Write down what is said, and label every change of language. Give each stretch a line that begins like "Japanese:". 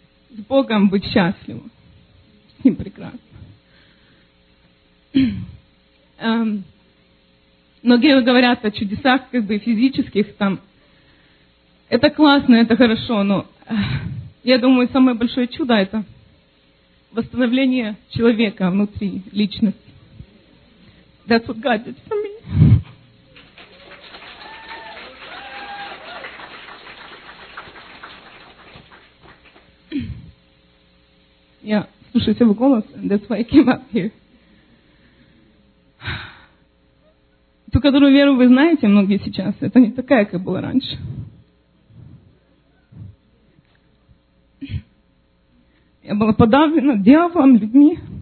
Russian: С Богом быть счастливым. С Ним прекрасно. Многие говорят о чудесах как бы физических там. Это классно, это хорошо, но я думаю, самое большое чудо — это восстановление человека внутри, личности.
English: That's what God did for me.
Russian: Я слушаю свой голос,
English: and that's why I came up here.
Russian: Ту, которую веру вы знаете, многие сейчас, это не такая, как была раньше. Я была подавлена дьяволом, людьми.